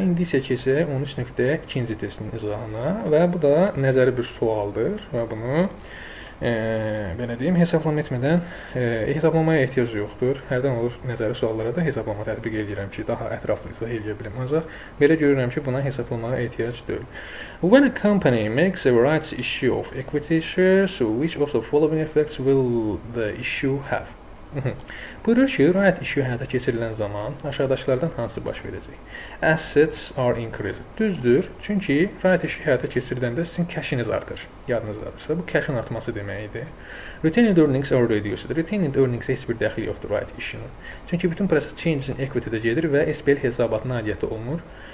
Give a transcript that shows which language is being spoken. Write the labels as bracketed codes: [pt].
[az] İndi isə keçək 13.2-ci testin izahına. Və bu da nəzəri bir sualdır. Və bunu belə deyim, hesablama etmədən hesablamaya ehtiyac yoxdur. Hərdən olur nəzəri suallara da hesablama tətbiq edirəm ki, daha ətraflı izah edə bilim. Ancaq belə görürəm ki, buna hesablamaya ehtiyac deyil. [en] When a company makes a rights issue of equity shares, which of the following effects will the issue have? [az] Buyurur ki, right issue həyata keçirilən zaman aşağıdakılardan hansı baş verəcək? [en] Assets are increased. [az] Düzdür, çünki right issue həyata keçirdəndə sizin cashiniz artır. Yadınızdadırsa, bu cashin artması deməkdir. [en] Retained earnings are reduced. [az] Retained earnings heç bir dəxil yoxdur right issue-nun. Çünki bütün proses changes in equity-də gedir və SPL hesabatına aidiyyəti olmur.